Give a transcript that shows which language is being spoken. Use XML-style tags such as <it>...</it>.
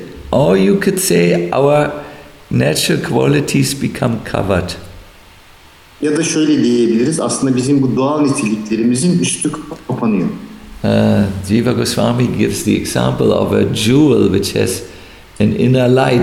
<en>Or you could say our natural qualities become covered.</en> <tr>Ya da şöyle diyebiliriz, aslında bizim bu doğal niteliklerimizin üstü kapanıyor.</tr> <en>Jiva Goswami gives the example of a jewel which has an inner light.</en>